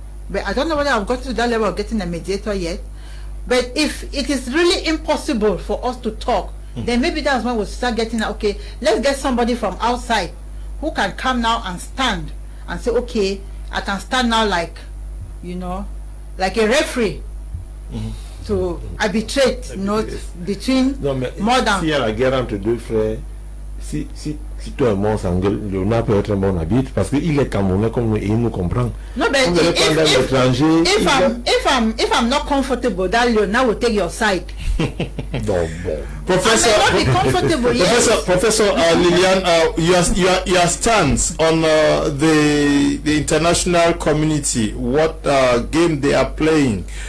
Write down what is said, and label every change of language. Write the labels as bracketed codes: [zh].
[en] But I don't know whether I've gotten to that level of getting a mediator yet. But if it is really impossible for us to talk, then maybe that's when we'll start getting, okay, let's get somebody from outside who can come now and stand and say, okay, I can stand now, like, you know, like a referee to arbitrate between more than. [fr] Si y a la guerre entre deux frères, si toi et moi on s'engueule, Léona peut être un bon arbitre parce qu'il est Camerounais comme nous et il nous comprend. Non, mais on [en] if I'm not comfortable, that Léona will take your side. [fr] Bon. [en] Professor, I may not be comfortable. Yes. Professor Liliane, your stance on the international community, what game they are playing.